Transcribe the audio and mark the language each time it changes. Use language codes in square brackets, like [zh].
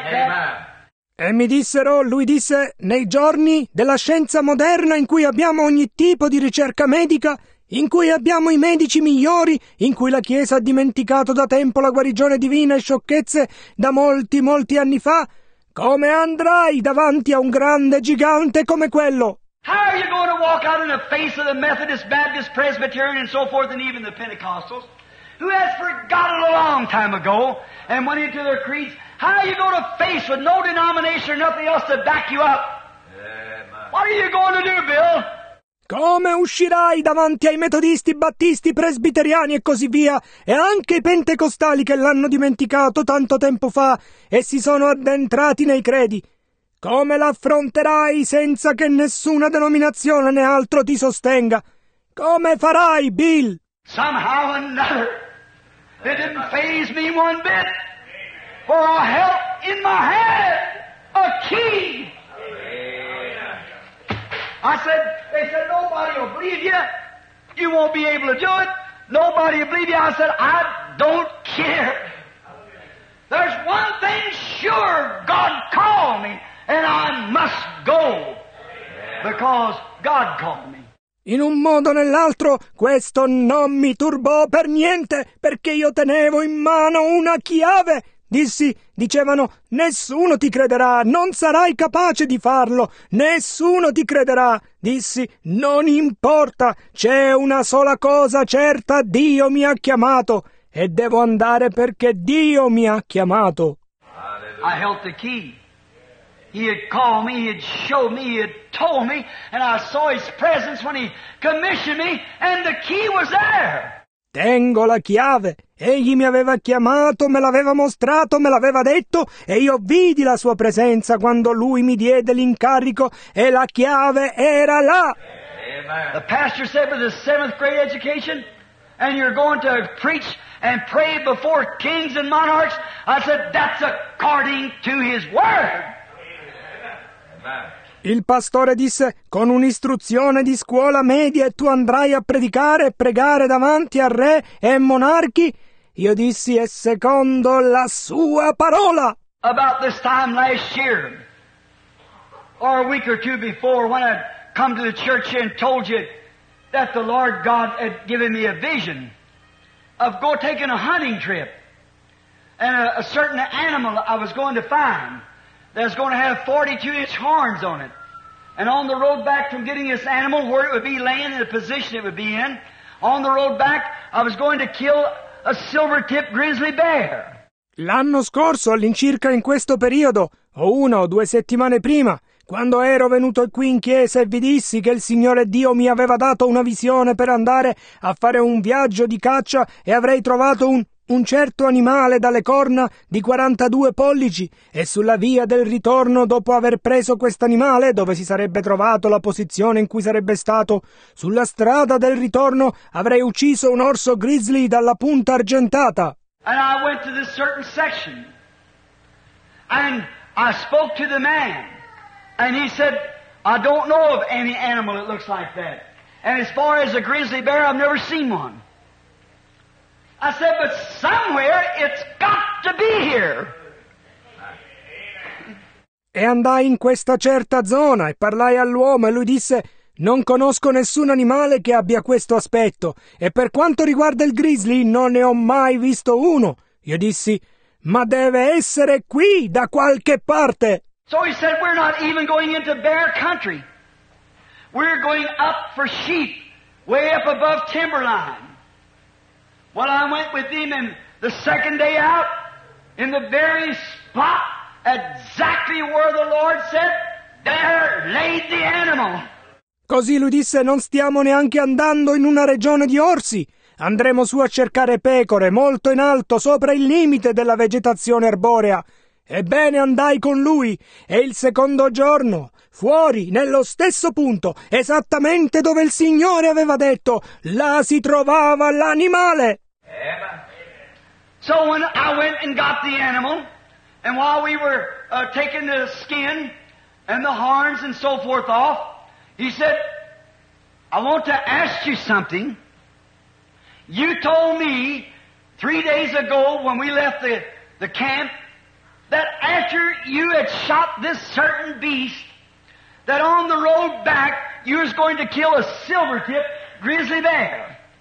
[en] Amen. That? [it] E mi dissero, lui disse, nei giorni della scienza moderna in cui abbiamo ogni tipo di ricerca medica, in cui abbiamo i medici migliori, in cui la Chiesa ha dimenticato da tempo la guarigione divina e sciocchezze da molti, molti anni fa, come andrai davanti a un grande gigante come quello? [en] How are you going to walk out in the face of the Methodist, Baptist, Presbyterian and so forth and even the Pentecostals? who has forgotten a long time ago and went into their creeds. How are you going to face with no denomination or nothing else to back you up? What are you going to do, Bill? [it] Come uscirai davanti ai metodisti, battisti, presbiteriani e così via, e anche i pentecostali che l'hanno dimenticato tanto tempo fa e si sono addentrati nei credi? Come l'affronterai senza che nessuna denominazione né altro ti sostenga? Come farai, Bill? [en] Somehow another. It didn't faze me one bit. For I held in my head a key. They said, nobody will believe you. You won't be able to do it. Nobody will believe you. I said, I don't care. There's one thing sure, God called me, and I must go. Because God called me. [it] In un modo o nell'altro, questo non mi turbò per niente, perché io tenevo in mano una chiave. Dissi, dicevano, nessuno ti crederà, non sarai capace di farlo, nessuno ti crederà. Dissi, non importa, c'è una sola cosa certa, Dio mi ha chiamato, e devo andare perché Dio mi ha chiamato. [en] I held the key. He had called me, he had showed me, he had told me, and I saw his presence when he commissioned me, and the key was there. [it] Tengo la chiave. Egli mi aveva chiamato, me l'aveva mostrato, me l'aveva detto, e io vidi la sua presenza quando lui mi diede l'incarico, e la chiave era là. [en] Amen. The pastor said with his seventh grade education, and you're going to preach and pray before kings and monarchs. I said, that's according to his word. [it] Il pastore disse, con un'istruzione di scuola media tu andrai a predicare e pregare davanti a re e monarchi? Io dissi, è secondo la sua parola. [en] About this time last year, or a week or two before, when I'd come to the church and told you that the Lord God had given me a vision of go taking a hunting trip and a certain animal I was going to find. That's going to have 42-inch horns on it. And on the road back from getting this animal, where it would be laying in the position it would be in, on the road back, I was going to kill a silver-tipped grizzly bear. [it] L'anno scorso, all'incirca in questo periodo, o una o due settimane prima, quando ero venuto qui in chiesa e vi dissi che il Signore Dio mi aveva dato una visione per andare a fare un viaggio di caccia e avrei trovato un certo animale dalle corna di 42 pollici, e sulla via del ritorno, dopo aver preso quest'animale, dove si sarebbe trovato la posizione in cui sarebbe stato, sulla strada del ritorno avrei ucciso un orso grizzly dalla punta argentata. [en] And I went to this certain section, and I spoke to the man, and he said, I don't know of any animal that looks like that. And as far as a grizzly bear, I've never seen one. I said, but somewhere it's got to be here. [it] E andai in questa certa zona e parlai all'uomo e lui disse, non conosco nessun animale che abbia questo aspetto e per quanto riguarda il grizzly non ne ho mai visto uno. Io dissi, ma deve essere qui da qualche parte. [en] So he said, we're not even going into bear country. We're going up for sheep, way up above timberline. Well, I went with him, and the second day out, in the very spot exactly where the Lord said, there lay the animal. [it] Così lui disse, non stiamo neanche andando in una regione di orsi. Andremo su a cercare pecore, molto in alto, sopra il limite della vegetazione arborea. Ebbene, andai con lui, e il secondo giorno, fuori, nello stesso punto, esattamente dove il Signore aveva detto, là si trovava l'animale. [en] So when I went and got the animal, and while we were taking the skin and the horns and so forth off, he said, I want to ask you something. You told me 3 days ago when we left the camp that after you had shot this certain beast, that on the road back you was going to kill a silver-tipped grizzly bear.